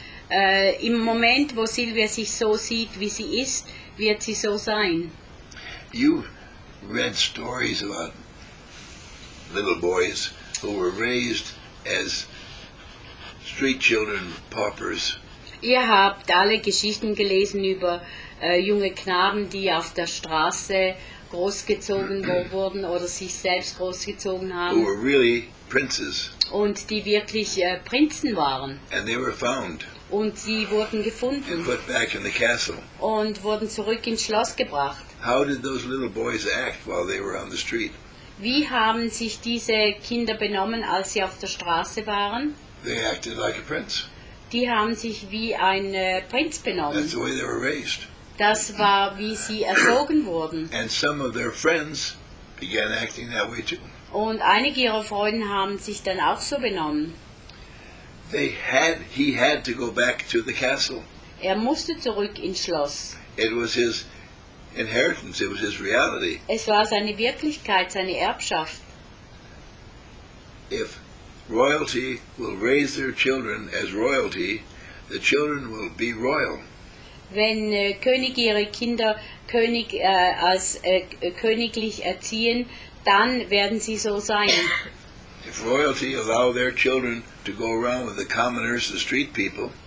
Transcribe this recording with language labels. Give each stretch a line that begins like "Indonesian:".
German: Im Moment, wo Sylvia sich so sieht, wie sie ist, wird sie so sein.
English: You've read stories about little boys who were raised as street children, paupers.
German: Ihr habt alle Geschichten gelesen über junge Knaben, die auf der Straße großgezogen wurden oder sich selbst großgezogen haben.
English: Who were really princes.
German: Und die wirklich Prinzen waren.
English: And they were found.
German: Und sie wurden gefunden.
English: And put back in the castle.
German: Und wurden zurück ins Schloss gebracht.
English: How did those little boys act while they were on the street?
German: Wie haben sich diese Kinder benommen, als sie auf der Straße waren?
English: They acted like a prince.
German: Die haben sich wie ein Prinz benommen.
English: That's the way they were raised.
German: Das war, wie sie erzogen wurden.
English: And some of their friends began acting that way too.
German: Und einige ihrer Freunde haben sich dann auch so benommen.
English: He had to go back to the castle.
German: Er musste zurück ins Schloss.
English: It was his inheritance, it was his reality.
German: Es war seine Wirklichkeit, seine Erbschaft.
English: If royalty will raise their children as royalty, the children will be royal.
German: Wenn Könige ihre Kinder König, als königlich erziehen, dann werden sie so sein.
English: If royalty allow their children to go around with the commoners, the street people.